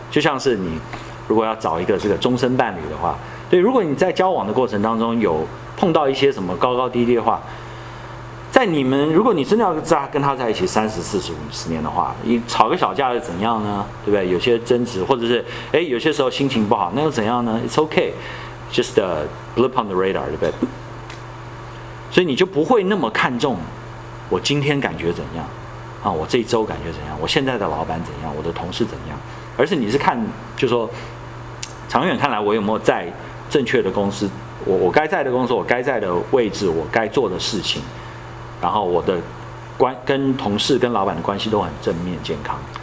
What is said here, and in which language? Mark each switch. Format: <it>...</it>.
<zh>就像是你如果要找一个这个终身伴侣的话，对，如果你在交往的过程当中有碰到一些什么高高低低的话，在你们如果你真的要跟他在一起30、40、50年的话，你吵个小架又怎样呢？对不对？有些争执，或者是有些时候心情不好，那又怎样呢？</zh> <en>It's okay， just a blip on the radar，</en> <zh>对不对？所以你就不会那么看重我今天感觉怎样啊，我这一周感觉怎样，我现在的老板怎样，我的同事怎样，而是你是看，就说长远看来，我有没有在正确的公司，我该在的公司，我该在的位置，我该做的事情，然后我的关跟同事跟老板的关系都很正面健康。</zh>